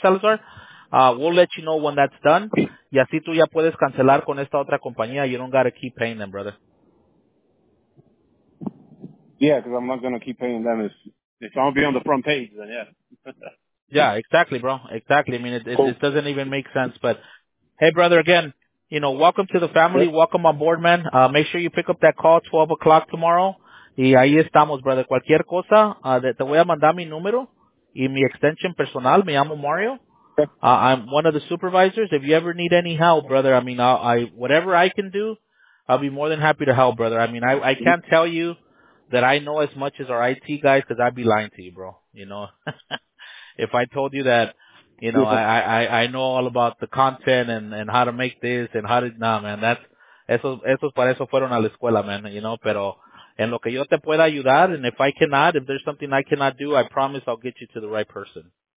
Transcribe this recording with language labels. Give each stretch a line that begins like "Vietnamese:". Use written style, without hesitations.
English: Salazar, we'll let you know when that's done.
Spanish: Y así tú ya puedes cancelar con esta otra compañía.
English: You don't gotta keep paying them, brother. Yeah, because I'm not gonna keep paying them. If I don't be on the front page, then yeah, exactly, bro. Exactly. I mean, it doesn't even make sense. But hey, brother, again, you know, welcome to the family. Yeah. Welcome on board, man. Make sure you pick up that call 12 o'clock tomorrow.
Spanish: Y ahí estamos, brother. Cualquier cosa, te voy a mandar mi número y mi extension personal. Me llamo Mario.
English: I'm one of the supervisors. If you ever need any help, brother, I mean, whatever I can do, I'll be more than happy to help, brother. I mean, I can't tell you that I know as much as our IT guys, because I'd be lying to you, bro. You know, if I told you that, you know, I know all about the content and how to make this and how to, nah, man,
Spanish: esos para eso fueron a la escuela,
English: man, you know,
Spanish: pero, en lo que yo te pueda ayudar,
English: and if I cannot, if there's something I cannot do, I promise I'll get you to the right person.